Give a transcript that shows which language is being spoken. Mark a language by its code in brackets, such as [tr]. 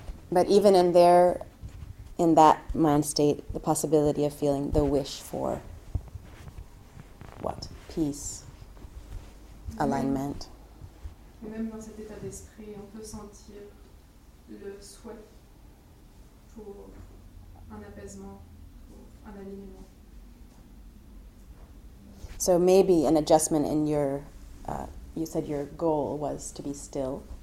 [en] But even in that mind state, the possibility of feeling the wish for what? Peace, alignment. [fr] Et même dans cet état d'esprit, on peut sentir le souhait pour un apaisement, pour un alignement. [en] So maybe an adjustment in your, you said your goal was to be still.